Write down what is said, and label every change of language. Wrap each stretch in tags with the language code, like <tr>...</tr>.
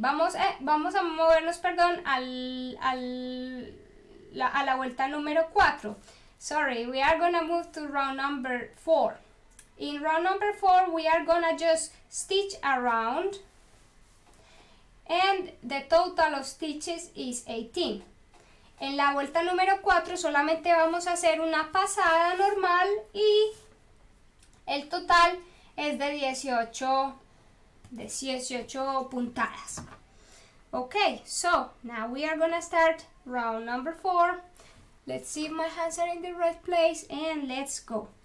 <es>Vamos a movernos, perdón, a la vuelta número 4.</es> <en>Sorry, we are gonna move to round number 4. In round number 4, we are gonna just stitch around, and the total of stitches is 18.</en> <es>En la vuelta número 4 solamente vamos a hacer una pasada normal y el total es de 18 puntadas.</es> <en>Okay, so now we are gonna start round number 4. Let's see if my hands are in the right place and let's go.</en>